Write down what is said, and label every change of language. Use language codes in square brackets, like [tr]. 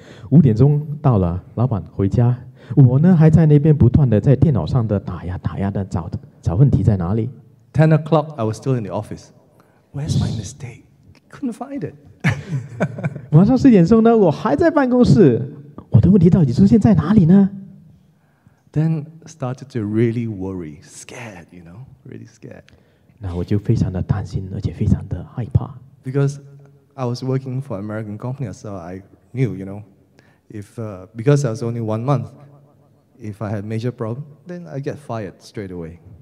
[zh] 5点钟到了，老板回家，我呢还在那边不断的在电脑上的打呀打呀的找问题在哪里。 [en] 10 o'clock, I was still in the office. Where's my mistake? Couldn't find it. [zh] 晚上4点钟呢，我还在办公室，我的问题到底出现在哪里呢？ [en] Then started to really worry, scared, you know, really scared. [zh] 那我就非常的担心，而且非常的害怕。 [en] Because I was working for American company, so I knew, you know, because I was only 1 month, if I had major problem, then I get fired straight away.